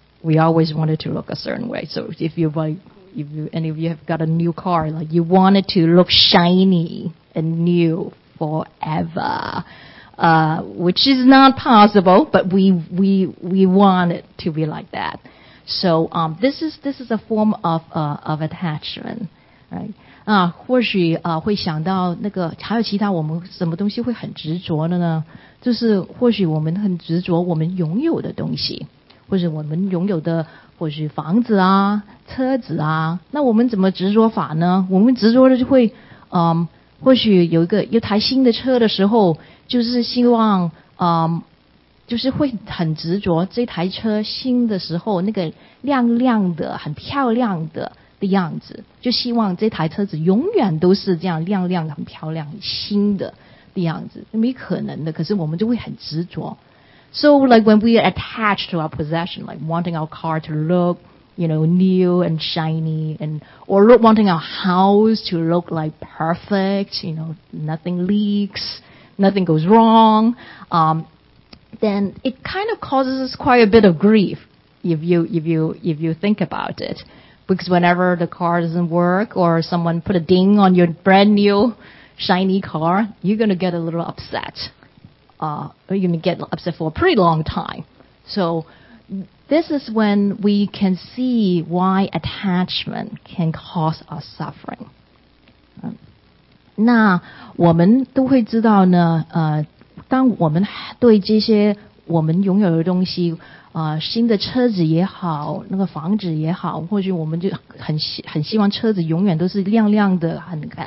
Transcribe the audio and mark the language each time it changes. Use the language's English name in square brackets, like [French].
[English] We always wanted to look a certain way. So if any of you have got a new car, like you wanted to look shiny and new forever, which is not possible, but we want it to be like that. So, this is a form of attachment, right? [Chinese] 啊，或许啊，会想到那个，还有其他我们什么东西会很执着的呢？就是或许我们很执着我们拥有的东西，或者我们拥有的，或许房子啊、车子啊。那我们怎么执着法呢？我们执着的就会，或许有一个有台新的车的时候，就是希望，就是会很执着这台车新的时候那个亮亮的、很漂亮的。的样子，就希望这台车子永远都是这样亮亮的、很漂亮、新的样子，没可能的。可是我们就会很执着。 [English] So like when we are attached to our possession, like wanting our car to look, you know, new and shiny, and or look, wanting our house to look like perfect, you know, nothing leaks, nothing goes wrong, then it kind of causes us quite a bit of grief if you think about it. Because whenever the car doesn't work or someone put a ding on your brand new shiny car, you're going to get a little upset. You're going to get upset for a pretty long time. So This is when we can see why attachment can cause us suffering. [Chinese] 那我们都会知道呢，当我们对这些我们拥有的东西，新的车子也好，那个房子也好，或许我们就很希望车子永远都是亮亮的，很